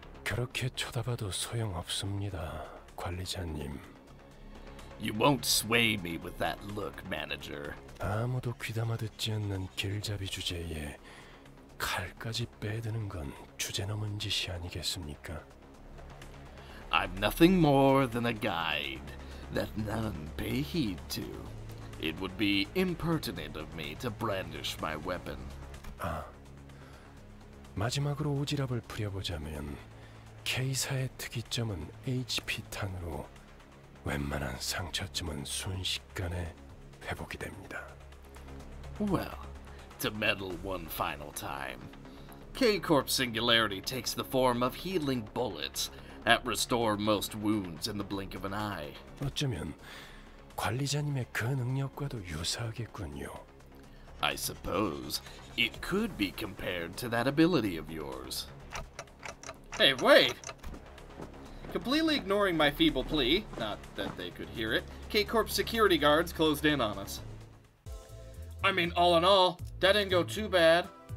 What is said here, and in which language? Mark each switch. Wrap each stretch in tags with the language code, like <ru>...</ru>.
<ko>그렇게 쳐다봐도 소용없습니다, 관리자님.</ko> <en>You won't sway me with that look, manager.</en> <ko>아무도 귀담아 듣지 않는 길잡이 주제에 칼까지 빼드는 건 주제넘은 짓이 아니겠습니까?</ko> <en>I'm nothing more than a guide that none pay heed to. It would be impertinent of me to brandish my weapon.</en> <ko>아, 마지막으로 오지랖을 부려보자면 K사의 특이점은 HP탄으로 웬만한 상처쯤은 순식간에 회복이 됩니다.</ko> <en>Well, to meddle one final time. K-Corp's singularity takes the form of healing bullets that restore most wounds in the blink of an eye.</en> <ko>어쩌면 관리자님의 그 능력과도 유사하겠군요.</ko> <en>I suppose it could be compared to that ability of yours. Hey, wait! Completely ignoring my feeble plea, not that they could hear it, K-Corp security guards closed in on us. I mean, all in all, that didn't go too bad.</en>